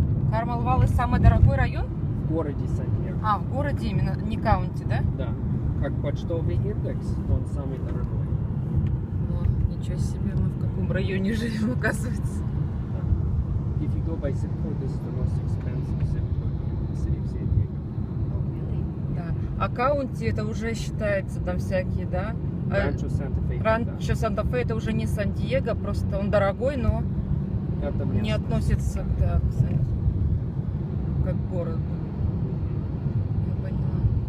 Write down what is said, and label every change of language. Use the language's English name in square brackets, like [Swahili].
[Russian] Кармел Валли самый дорогой район? В городе Сан-Диего. А, в городе именно, не каунти, да? Да. Как почтовый индекс, он самый дорогой. Ну, ничего себе, мы в каком районе живем, оказывается. Да. [English] If you go by zip code, this is the most expensive zip code in the city of San Diego. [Russian] Да. А каунти это уже считается там всякие, да? Ранчо Санта-Фе. Ранчо Санта-Фе это уже не Сан-Диего, просто он дорогой, но... как-то, блин, не относится к, да, к как городу. Я поняла.